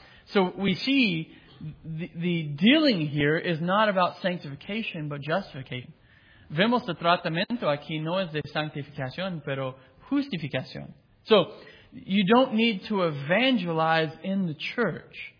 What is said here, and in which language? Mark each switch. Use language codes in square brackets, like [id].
[en] So we see the dealing here is not about sanctification, but justification. [es] Vemos el tratamiento aquí no es de santificación, pero justificación. [en] So, you don't need to evangelize in the church.